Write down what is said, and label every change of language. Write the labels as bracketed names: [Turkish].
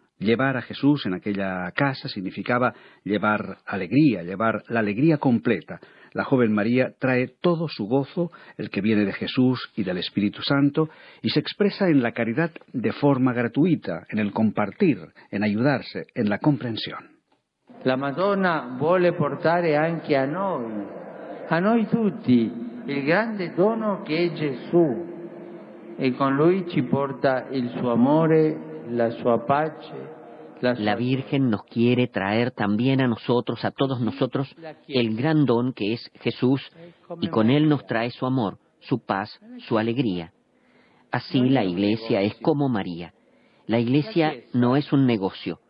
[Spanish] Llevar a Jesús en aquella casa significaba llevar alegría, llevar la alegría completa. La joven María trae todo su gozo, el que viene de Jesús y del Espíritu Santo, y se expresa en la caridad de forma gratuita, en el compartir, en ayudarse, en la comprensión. [Italian] La Madonna vuole portare anche a noi tutti, il grande dono che è Gesù, e con lui ci porta il suo amore, la sua pace. [Spanish] La Virgen nos quiere traer también a nosotros, a todos nosotros, el gran don que es Jesús, y con él nos trae su amor, su paz, su alegría. Así la Iglesia es como María. La Iglesia no es un negocio.